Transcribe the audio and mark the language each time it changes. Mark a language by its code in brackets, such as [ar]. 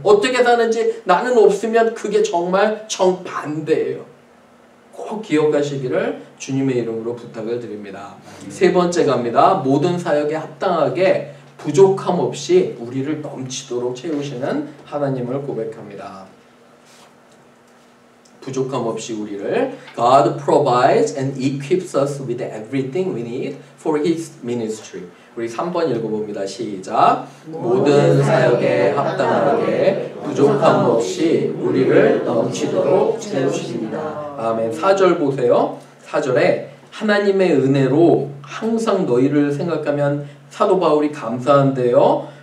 [ko] 어떻게 사는지 나는 없으면 그게 정말 정반대예요. 꼭 기억하시기를 주님의 이름으로 부탁을 드립니다. 세 번째 갑니다. 모든 사역에 합당하게 부족함 없이 우리를 넘치도록 채우시는 하나님을 고백합니다. 부족함 없이 우리를 [en] God provides and equips us with everything we need for His ministry. [ko] 우리 3번 읽어봅니다. 시작! 모든 사역에 합당하게 부족함 없이 우리를 넘치도록 채우십니다. 아멘. 4절 보세요. 4절에 하나님의 은혜로 항상 너희를 생각하면 사도 바울이 감사한데요.